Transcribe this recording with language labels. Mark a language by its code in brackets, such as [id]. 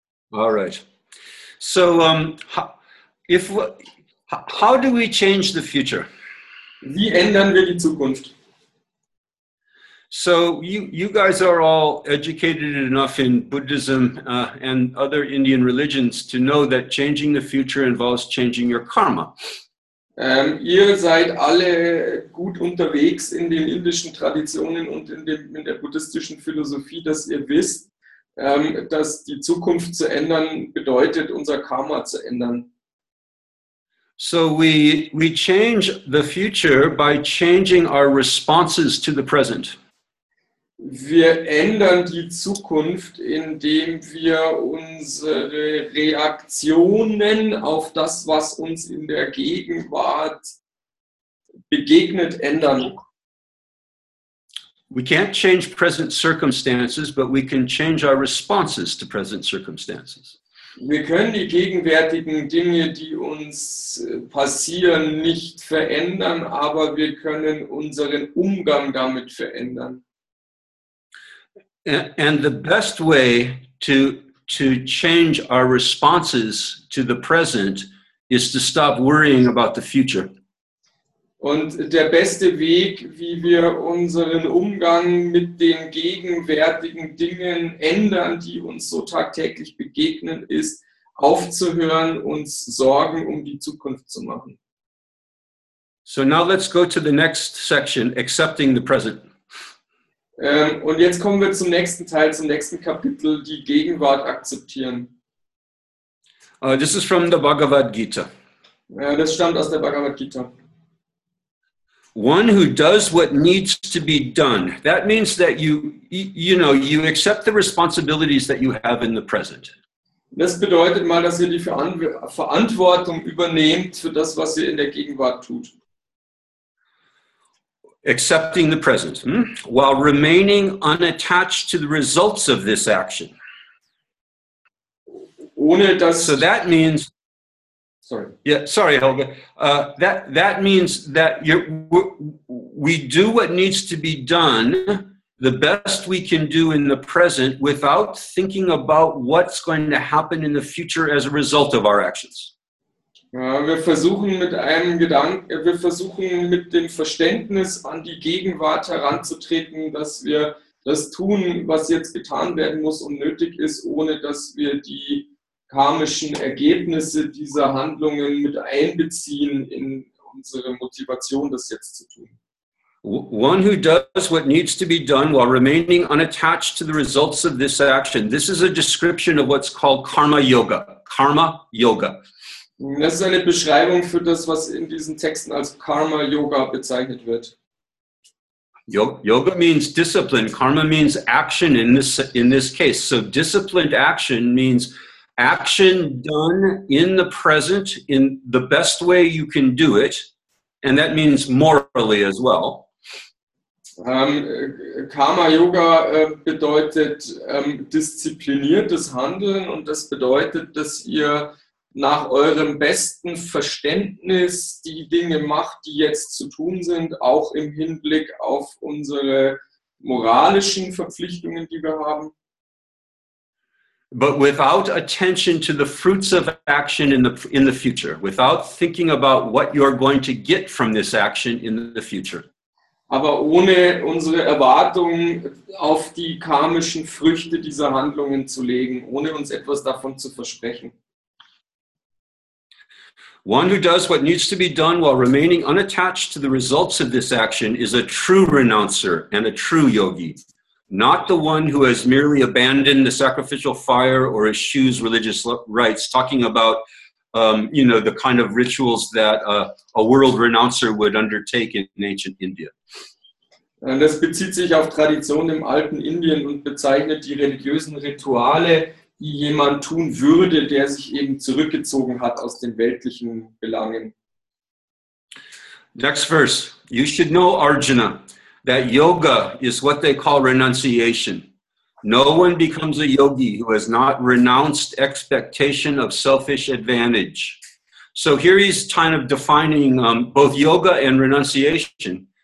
[en] All right. So how do we change the future? [de] Wie ändern wir die Zukunft? [en] So you guys are all educated enough in Buddhism and other Indian religions to know that changing the future involves changing your karma. [de] Ihr seid alle gut unterwegs in den indischen Traditionen und in der buddhistischen Philosophie, dass ihr wisst, dass die Zukunft zu ändern bedeutet, unser Karma zu ändern. [en] So we change the future by changing our responses to the present. [de] Wir ändern die Zukunft, indem wir unsere Reaktionen auf das, was uns in der Gegenwart begegnet, ändern. [en] We can't change present circumstances, but we can change our responses to present circumstances. [de] Wir können die gegenwärtigen Dinge, die uns passieren, nicht verändern, aber wir können unseren Umgang damit verändern. [en] And the best way to change our responses to the present is to stop worrying about the future. [de] Und der beste Weg, wie wir unseren Umgang mit den gegenwärtigen Dingen ändern, die uns so tagtäglich begegnen, ist aufzuhören, uns Sorgen um die Zukunft zu machen. [en] So now let's go to the next section, accepting the present. [de] Und jetzt kommen wir zum nächsten Teil, zum nächsten Kapitel, die Gegenwart akzeptieren. [en] This is from the Bhagavad Gita. [de] Das stammt aus der Bhagavad Gita. [en] One who does what needs to be done. That means that you accept the responsibilities that you have in the present. [de] Das bedeutet mal, dass ihr die Verantwortung übernehmt für das, was ihr in der Gegenwart tut. [en] Accepting the present, while remaining unattached to the results of this action. [de] Ohne dass [en] so that means. Sorry. Yeah, sorry, Helga. That means that we do what needs to be done, the best we can do in the present, without thinking about what's going to happen in the future as a result of our actions. [de] Wir versuchen mit dem Verständnis an die Gegenwart heranzutreten, dass wir das tun, was jetzt getan werden muss und nötig ist, ohne dass wir die karmischen Ergebnisse dieser Handlungen mit einbeziehen in unsere Motivation, das jetzt zu tun. [en] One who does what needs to be done while remaining unattached to the results of this action. This is a description of what's called Karma Yoga. Karma Yoga. [de] Das ist eine Beschreibung für das, was in diesen Texten als Karma-Yoga bezeichnet wird. [en] Yoga means discipline. Karma means action in this case. So disciplined action means action done in the present in the best way you can do it. And that means morally as well. [de] Karma Yoga bedeutet diszipliniertes Handeln und das bedeutet, dass ihr nach eurem besten Verständnis die Dinge macht, die jetzt zu tun sind, auch im Hinblick auf unsere moralischen Verpflichtungen, die wir haben. [en] But without attention to the fruits of action in the future, without thinking about what you're going to get from this action in the future. [de] Aber ohne unsere Erwartungen auf die karmischen Früchte dieser Handlungen zu legen, ohne uns etwas davon zu versprechen. [en] One who does what needs to be done while remaining unattached to the results of this action is a true renouncer and a true yogi, not the one who has merely abandoned the sacrificial fire or eschews religious rites, talking about the kind of rituals that a world renouncer would undertake in ancient India. [de] Das bezieht sich auf Traditionen im alten Indien und bezeichnet die religiösen Rituale, die jemand tun würde, der sich eben zurückgezogen hat aus den weltlichen Belangen. [en] Next verse. You should know, Arjuna, that yoga is what they call renunciation. No one becomes a yogi who has not renounced expectation of selfish advantage. So here he's kind of defining both yoga and renunciation.